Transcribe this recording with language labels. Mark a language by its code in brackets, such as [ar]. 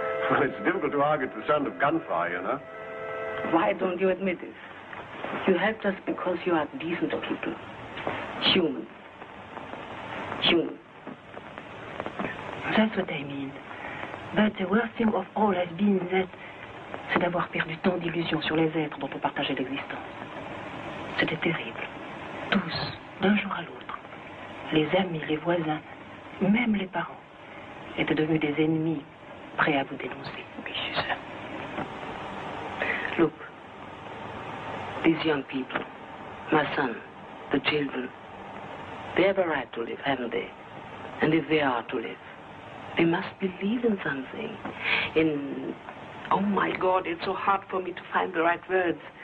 [en] Well, it's difficult to argue the sound of gunfire, you know. Why don't you admit it? You helped us because you are decent people. Human. Human. That's what I mean. But the worst thing of all has been that... [fr] c'est d'avoir perdu tant d'illusions sur les êtres dont on partageait l'existence. C'était terrible. Tous, d'un jour à l'autre, les amis, les voisins, même les parents, étaient devenus des ennemis prêts à vous dénoncer. Oui, c'est ça. [en] Look. These young people, my son, the children, they have a right to live, haven't they? And if they are to live, they must believe in something. In... oh, my God, it's so hard for me to find the right words.